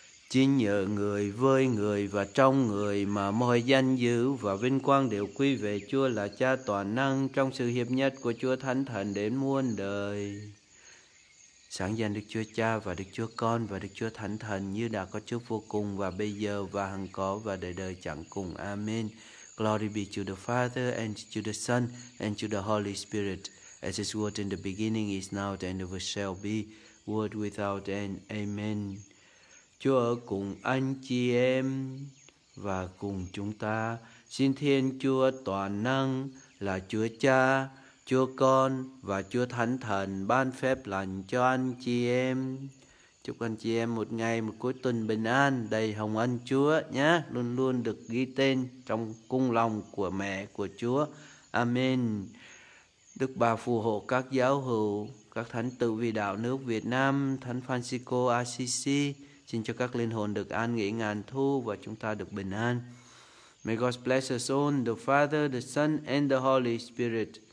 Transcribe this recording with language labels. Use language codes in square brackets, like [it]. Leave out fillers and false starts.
[vi] Chính nhờ người, với người và trong người mà mọi danh dự và vinh quang đều quy về Chúa là Cha toàn năng, trong sự hiệp nhất của Chúa Thánh Thần đến muôn đời. Sáng danh Đức Chúa Cha và Đức Chúa Con và Đức Chúa Thánh Thần như đã có trước vô cùng và bây giờ và hằng có và đời đời chẳng cùng. Amen. [en] Glory be to the Father and to the Son and to the Holy Spirit. As it was in the beginning, is now and ever shall be, world without end. Amen. [vi] Chúa ở cùng anh chị em và cùng chúng ta. Xin Thiên Chúa toàn năng là Chúa Cha, Chúa Con và Chúa Thánh Thần ban phép lành cho anh chị em. Chúc anh chị em một ngày, một cuối tuần bình an, đầy hồng ân Chúa nhé. Luôn luôn được ghi tên trong cung lòng của mẹ của Chúa. Amen. Đức Bà phù hộ các giáo hữu, các thánh tử vì đạo nước Việt Nam, Thánh Francisco Assisi. Xin cho các linh hồn được an nghỉ ngàn thu và chúng ta được bình an. [en] May God bless us all, the Father, the Son, and the Holy Spirit.